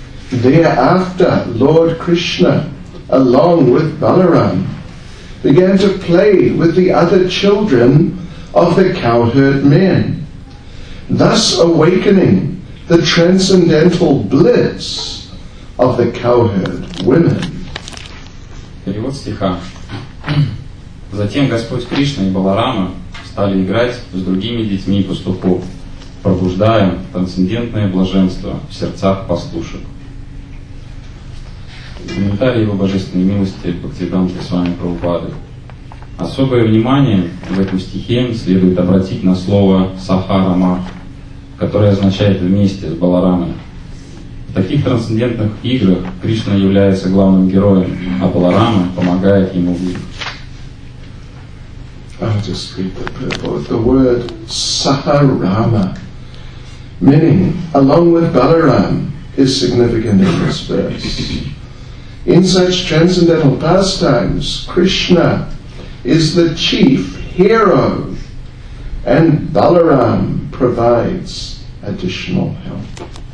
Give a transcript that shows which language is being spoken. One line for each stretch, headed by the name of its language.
English: Thereafter, Lord Krishna, along with Balaram, began to play with the other children of the cowherd men, thus awakening the transcendental bliss of the cowherd women.
Russian: Перевод стиха. Затем Господь Кришна и Баларама стали играть с другими детьми пастухов, пробуждая трансцендентное блаженство в сердцах пастушек. Комментарий его божественной милости Бхактивиданты с вами Прабхупады. Особое внимание в этом стихе следует обратить на слово «сахарама», которое означает «вместе с Баларамой». В таких трансцендентных играх Кришна является главным героем, а Баларама помогает ему в них.
English: I'll just read the purport. The word Saharama, meaning along with Balaram, is significant in this verse. In such transcendental pastimes, Krishna is the chief hero and Balaram provides additional help.